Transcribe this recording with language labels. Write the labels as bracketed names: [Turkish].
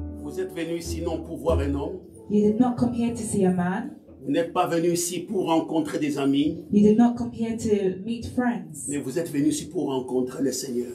[English] You did not come here to see a man. [French] Vous n'êtes pas venu ici pour rencontrer des amis. [English] You did not come here to meet friends. [French] Mais vous êtes venu ici pour rencontrer le Seigneur.